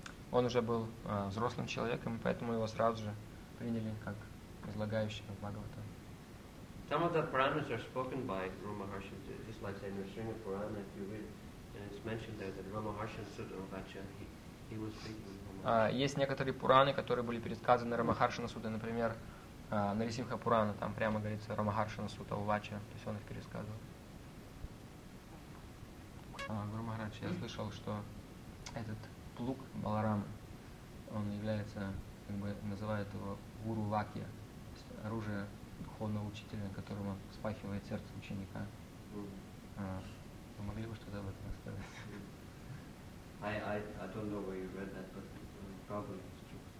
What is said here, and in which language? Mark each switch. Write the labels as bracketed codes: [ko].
[ru] Он уже был взрослым человеком, поэтому его сразу же приняли как излагающего Бхагавата. [en] Some of the Puranas are spoken by Rama Harshan, just like say, in the Srinya Purana, if you read, and it's mentioned there that Rama Harshan Sutta Rambacha, he was speaking with Rama. [ru] Есть некоторые Пураны, которые были пересказаны Рама Харшана Сутта, например, Нарисимха Пурана, там прямо говорится Рама Харшана Сутта Увача, то есть он их пересказывал. Гуру Махарадж, я слышал, что этот плуг Баларама, он является, как бы называют его Гуру Вакья, то есть оружие духовного учителя, которому вспахивает сердце ученика. Вы могли бы что-то об этом сказать? [en] I don't know where you read that, but probably it's true.